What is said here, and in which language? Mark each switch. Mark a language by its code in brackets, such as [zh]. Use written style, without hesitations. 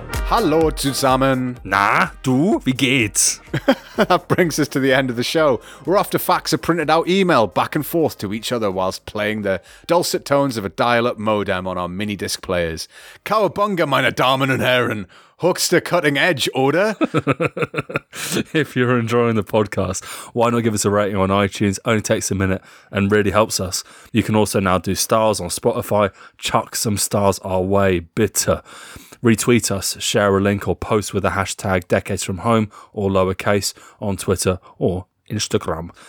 [de] Hallo zusammen. Na, du, wie geht's? [en] That brings us to the end of the show. We're off to fax a printed out email back and forth to each other whilst playing the dulcet tones of a dial-up modem on our mini disc players. [de] Cowabunga, meine Damen und Herren. [en] Huckster cutting edge order. If you're enjoying the podcast, why not give us a rating on iTunes? Only takes a minute and really helps us. You can also now do stars on Spotify. Chuck some stars our way, bitter. Retweet us, share a link, or post with the hashtag #decadesfromhome or lowercase on Twitter or Instagram.